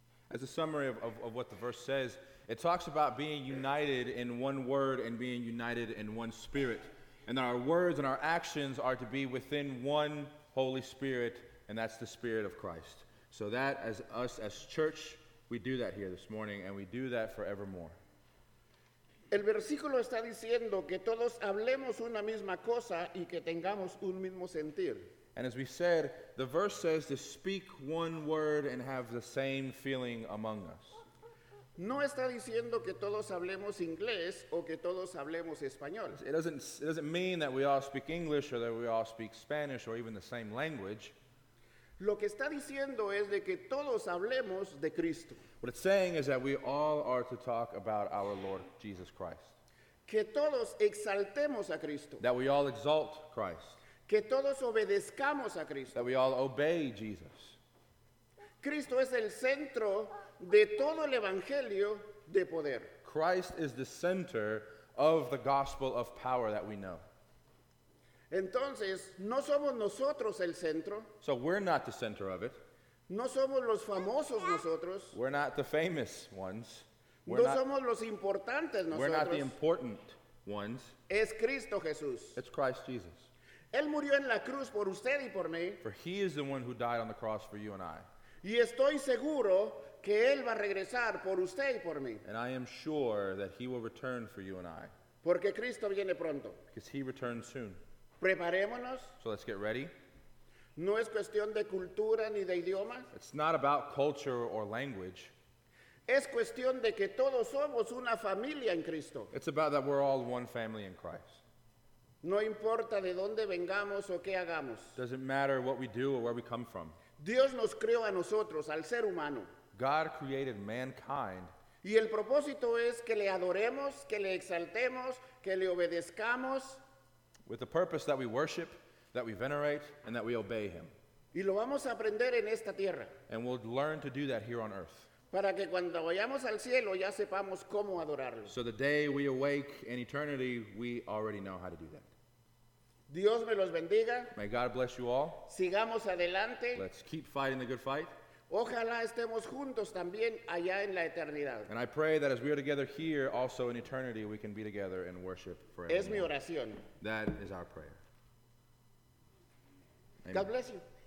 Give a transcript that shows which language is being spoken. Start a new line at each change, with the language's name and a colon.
English: As a summary of what the verse says, it talks about being united in one word and being united in one spirit. And that our words and our actions are to be within one Holy Spirit, and that's the Spirit of Christ. So that, as us as church, we do that here this morning, and we do that forevermore.
Spanish: El versículo está diciendo que todos hablemos una misma cosa y que tengamos un mismo sentir.
English: And as we said, the verse says to speak one word and have the same feeling among us.
Spanish: No está diciendo que todos hablemos inglés o que todos hablemos español.
English: It doesn't mean that we all speak English or that we all speak Spanish or even the same language.
Spanish: Lo que está diciendo es de que todos hablemos de Cristo.
English: What it's saying is that we all are to talk about our Lord Jesus Christ.
Spanish: Que todos exaltemos a Cristo.
English: That we all exalt Christ.
Spanish: Que todos obedezcamos a Cristo.
English: That we all obey Jesus.
Spanish: Cristo es el centro de todo el evangelio de poder.
English: Christ is the center of the gospel of power that we know.
Spanish: Entonces, no somos nosotros el centro.
English: So we're not the center of it.
Spanish: No somos los famosos nosotros.
English: We're not the famous ones.
Spanish: Somos los importantes nosotros.
English: We're not the important ones.
Spanish: Es Cristo Jesús.
English: It's Christ Jesus.
Spanish: Él murió en la cruz por usted y por mí.
English: For he is the one who died on the cross for you and I.
Spanish: Y estoy seguro que él va a regresar por usted y por mí.
English: And I am sure that he will return for you and I.
Spanish: Porque Cristo viene pronto.
English: Because he returns soon.
Spanish: Preparémonos.
English: So let's get ready.
Spanish: No es cuestión de cultura ni de idioma.
English: It's not about culture or language.
Spanish: Es cuestión de que todos somos una familia en Cristo.
English: It's about that we're all one family in Christ.
Spanish: No importa de dónde vengamos o qué hagamos.
English: Doesn't matter what we do or where we come from.
Spanish: Dios nos creó a nosotros, al ser humano.
English: God created mankind.
Spanish: Y el propósito es que le adoremos, que le exaltemos, que le obedezcamos.
English: With the purpose that we worship, that we venerate, and that we obey him.
Spanish: Y lo vamos a aprender en esta tierra.
English: And we'll learn to do that here on earth.
Spanish: Para que cuando vayamos al cielo ya sepamos cómo adorarlo.
English: So the day we awake in eternity, we already know how to do that.
Spanish: Dios me los bendiga.
English: May God bless you all.
Spanish: Sigamos adelante.
English: Let's keep fighting the good fight.
Spanish: Ojalá estemos juntos también allá en la eternidad.
English: And I pray that as we are together here, also in eternity, we can be together and worship forever.
Spanish: Es mi oración.
English: That is our prayer. Amen. God bless you.